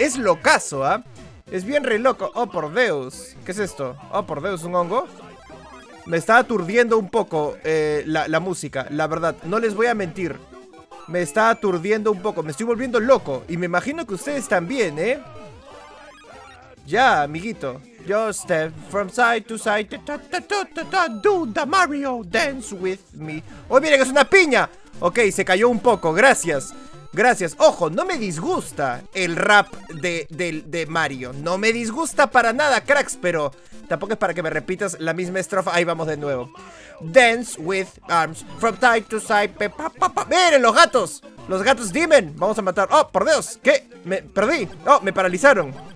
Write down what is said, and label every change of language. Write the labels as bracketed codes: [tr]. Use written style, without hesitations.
[es] Es locazo, ¿ah? Es bien re loco. Oh, por Dios. ¿Qué es esto? Oh, por Dios, ¿un hongo? Me está aturdiendo un poco la música, la verdad. No les voy a mentir. Me está aturdiendo un poco. Me estoy volviendo loco. Y me imagino que ustedes también, ¿eh? Ya, amiguito. [en] Yo step from side to side. Do the Mario dance with me. [es] Oh, miren, es una piña. Ok, se cayó un poco. Gracias. Gracias, ojo, no me disgusta el rap de Mario. No me disgusta para nada, cracks, pero tampoco es para que me repitas la misma estrofa. Ahí vamos de nuevo. [en] Dance with arms from side to side, [es] pe, pa, pa, pa. ¡Miren los gatos! ¡Los gatos Demon! Vamos a matar. ¡Oh, por Dios! ¿Qué? ¡Me perdí! ¡Oh, me paralizaron!